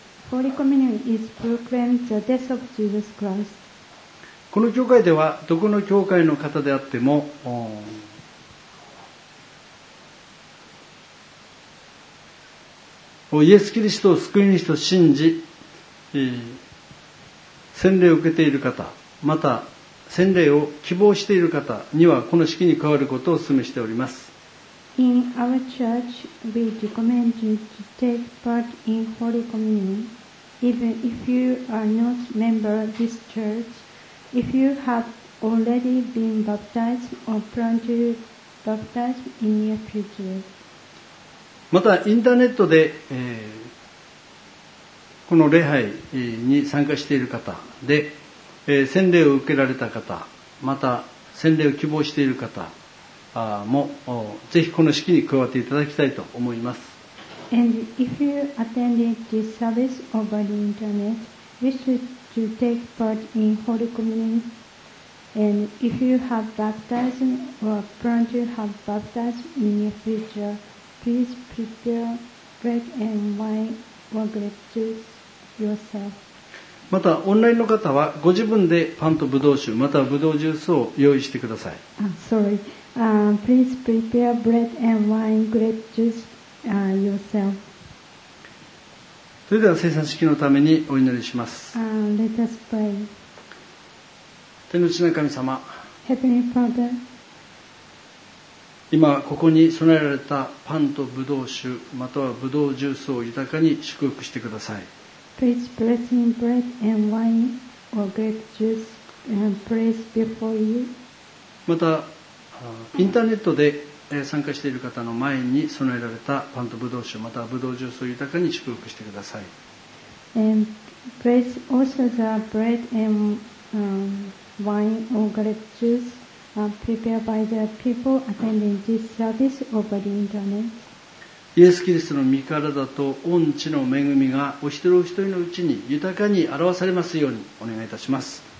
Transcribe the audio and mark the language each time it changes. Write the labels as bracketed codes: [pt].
[en] Holy Communion is proclaimed the death of Jesus Christ. [ja] この教会ではどこの教会の方であっても、イエス・キリストを救い主と信じ、洗礼を受けている方、また洗礼を希望している方にはこの式に加わることをお勧めしております。 [en] In our church, we recommend you to take part in Holy Communion, even if you are not a member of this church. If you have already been baptized or plan to be baptized in the near future. [ja] また、インターネットで、この礼拝に参加している方で、洗礼を受けられた方、また洗礼を希望している方、もぜひこの式に加わっていただきたいと思います。 [en] And if you attended this service over the internet, you should take part in Holy Communion. And if you have baptized or plan to have baptized in the future, please prepare bread and wine or grape juice yourself. [ja] またオンラインの方はご自分でパンとブドウ酒またはブドウジュースを用意してください。 [en] Please prepare bread and wine, grape juice, yourself. [ja] それでは聖餐式のためにお祈りします。 [en] Let us pray. [ja] 天の父なる神様。 [en] Heavenly Father. [ja] 今ここに備えられたパンとブドウ酒またはブドウジュースを豊かに祝福してください。 [en] Please bless in bread and wine or grape juice and praise before you. [ja] また。インターネットで参加している方の前に備えられたパンとブドウ酒またはブドウジュースを豊かに祝福してください。 [en] And bless also the bread and wine or grape juice prepared by the people attending this service over the internet. [ja] イエス・キリストの御体と御血の恵みがお一人お一人のうちに豊かに表されますようにお願いいたします。